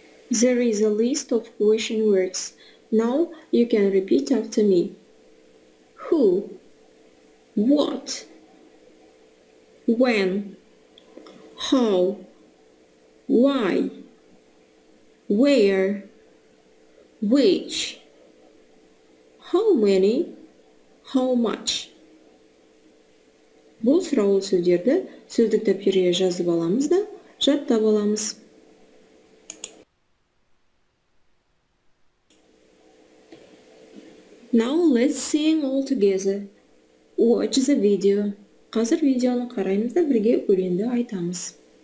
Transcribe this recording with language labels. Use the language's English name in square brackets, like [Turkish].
[English] There is a list of question words. Now you can repeat after me. Who? What? When, how, why, where, which, how many, how much. [Kazakh] Бұл сұраулы сөздерді сөздік дәптеріне жазып аламыз да, жаттап аламыз. [English] Now let's sing all together. Watch the video. [Kazakh] Қазір видеоны қараймыз да бірге өлеңді айтамыз.